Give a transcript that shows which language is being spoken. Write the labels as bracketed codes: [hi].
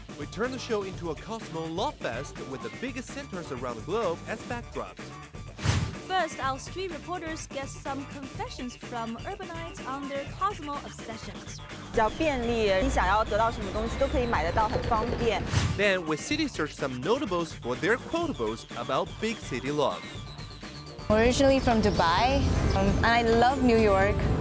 [en] We turn the show into a Cosmo love fest with the biggest centers around the globe as backdrops. First, our street reporters get some confessions from urbanites on their Cosmo obsessions. [zh] 比较便利，你想要得到什么东西都可以买得到，很方便。 [en] Then we city search some notables for their quotables about big city love. Originally from Dubai, and I love New York.